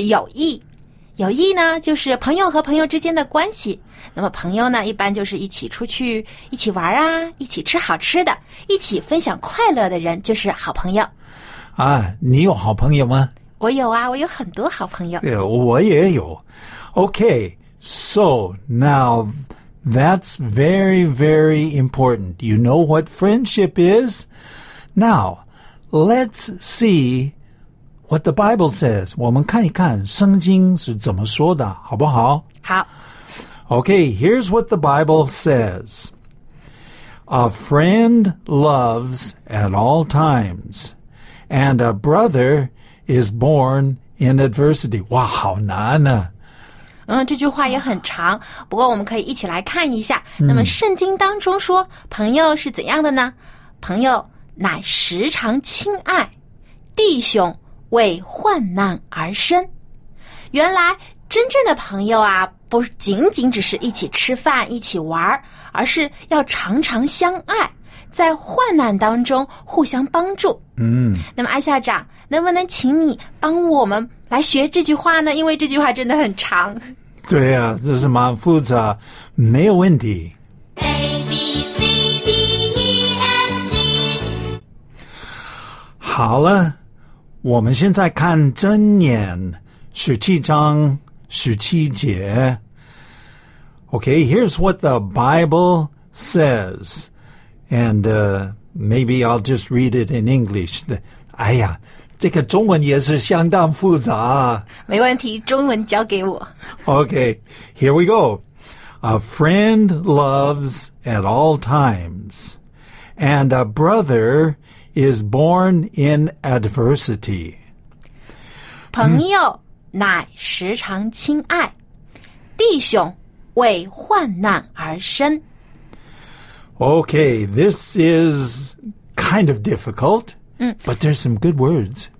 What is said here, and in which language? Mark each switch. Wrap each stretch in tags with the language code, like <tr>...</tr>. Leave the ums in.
<zh>阳,友谊呢，就是朋友和朋友之间的关系。那么，朋友呢，一般就是一起出去、一起玩啊，一起吃好吃的，一起分享快乐的人就是好朋友。啊，你有好朋友吗？我有啊，我有很多好朋友。我也有。</zh> <en>OK，so、okay, now that's very very important. You know what friendship is? Now let's see. what the Bible says.</en> <zh>我们看一看圣经是怎么说的,好不好?</zh> <en>Okay, here's what the Bible says. A friend loves at all times, and a brother is born in adversity.</en> <zh>哇,好难啊。嗯，这句话也很长，不过我们可以一起来看一下。那么，圣经当中说朋友是怎样的呢？朋友乃时常亲爱，弟兄为患难而生，原来真正的朋友啊，不仅仅只是一起吃饭、一起玩儿，而是要常常相爱，在患难当中互相帮助。嗯，那么艾校长，能不能请你帮我们来学这句话呢？因为这句话真的很长。对呀、啊，这是蛮复杂，没有问题。</zh> <en>A B C D E F G，</en> <zh>好了。我们现在看箴言十七章十七节。</zh> <en>Okay, here's what the Bible says. And uh, maybe I'll just read it in English.</en> <zh>哎呀,这个中文也是相当复杂。没问题,中文交给我。</zh> <en>Okay, here we go. A friend loves at all times, and a brother is born in adversity.</en> <zh>朋友乃时常亲爱,弟兄为患难而生。</zh> <en>Okay, this is kind of difficult, 嗯, but there's some good words.</en>